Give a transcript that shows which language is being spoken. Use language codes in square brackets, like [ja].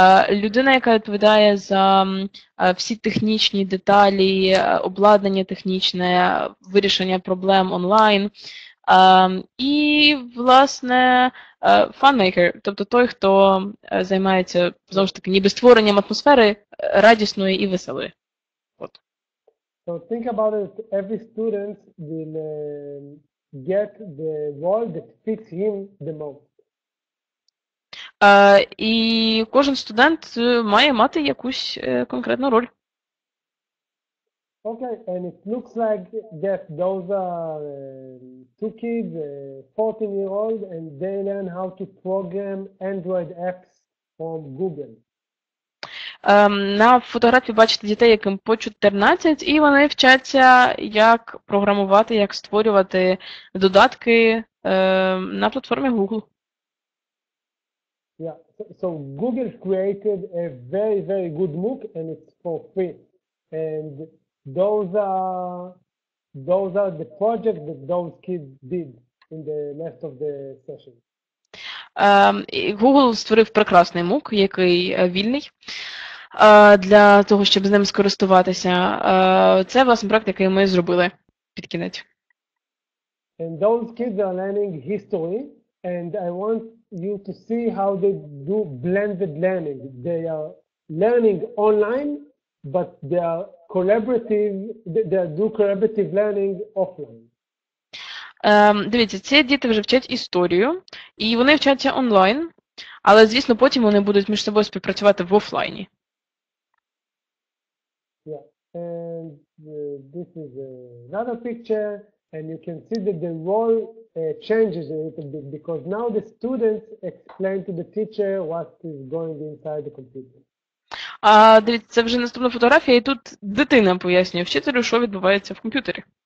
[uk] Людина, яка відповідає за всі технічні деталі, обладнання технічне, вирішення проблем онлайн. І, власне, фанмейкер, тобто той, хто займається, знову ж таки, ніби створенням атмосфери радісної і веселої. От. [en] So think about it, every student will get the role that fits him the most. [uk] І кожен студент має мати якусь конкретну роль. [en] Okay, and it looks like that those are two kids, 14-year-old, and they learn how to program Android apps from Google. [uk] На фотографії бачите дітей, яким по 14, і вони вчаться, як програмувати, як створювати додатки на платформі Google. [en] Yeah, so Google created a very, very good MOOC, and it's for free. And Those are the projects that those kids did in the last of the session. [uk] Google створив прекрасний MOOC, який вільний, для того, щоб з ним скористуватися. Це, власне, проект, який ми зробили під кінець. [en] And those kids are learning history, and I want you to see how they do blended learning. They are learning online, but they are collaborative learning offline. [uk] Дивіться, ці діти вже вчать історію, і вони вчаться онлайн, але, звісно, потім вони будуть між собою співпрацювати в офлайні. Yeah. [en] And this is another picture, and you can see that the role changes a little bit, because now the students explain to the teacher what is going inside the computer. [uk] Дивіться, це вже наступна фотографія, і тут дитина пояснює вчителю, що відбувається в комп'ютері.